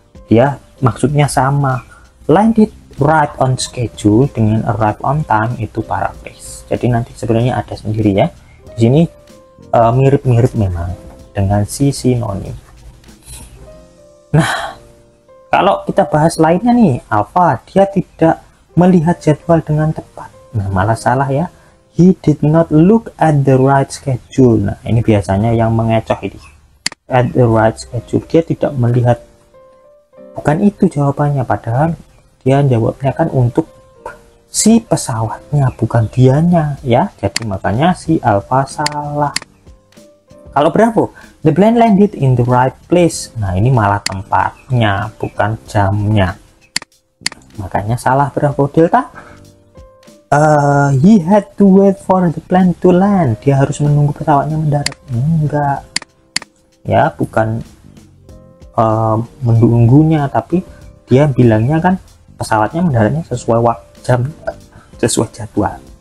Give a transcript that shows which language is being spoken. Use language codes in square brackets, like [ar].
[id] Dia maksudnya sama, [en] landed right on schedule [id] dengan [en] arrive on time, [id] itu paraphrase. Jadi nanti sebenarnya ada sendiri ya. Di sini mirip-mirip memang dengan si sinonim. Nah, kalau kita bahas lainnya nih, apa? Dia tidak melihat jadwal dengan tepat. Nah, malah salah ya. [en] He did not look at the right schedule. [id] Nah, ini biasanya yang mengecoh ini. [en] At the right schedule. [id] Dia tidak melihat. Bukan itu jawabannya. Padahal dia jawabnya kan untuk si pesawatnya, bukan dianya ya. Jadi makanya si Alpha salah. Kalau Bravo, [en] the plane landed in the right place. [id] Nah, ini malah tempatnya, bukan jamnya. Makanya salah Bravo. [en] Delta, he had to wait for the plane to land. [id] Dia harus menunggu pesawatnya mendarat. Enggak ya, bukan menunggunya, tapi dia bilangnya kan pesawatnya mendaratnya sesuai waktu, jam, sesuai jadwal.